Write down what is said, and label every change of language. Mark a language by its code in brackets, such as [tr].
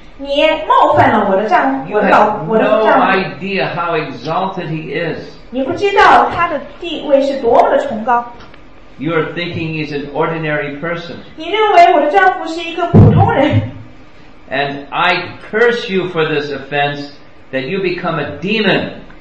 [zh] 你冒犯了我的丈夫，我的老，我的丈夫。 [en] You have no idea how exalted he is. [zh] 你不知道他的地位是多么的崇高。 [en] You are thinking he's an ordinary person. [zh] 你认为我的丈夫是一个普通人。 [en] And I curse you for this offense that you become a demon.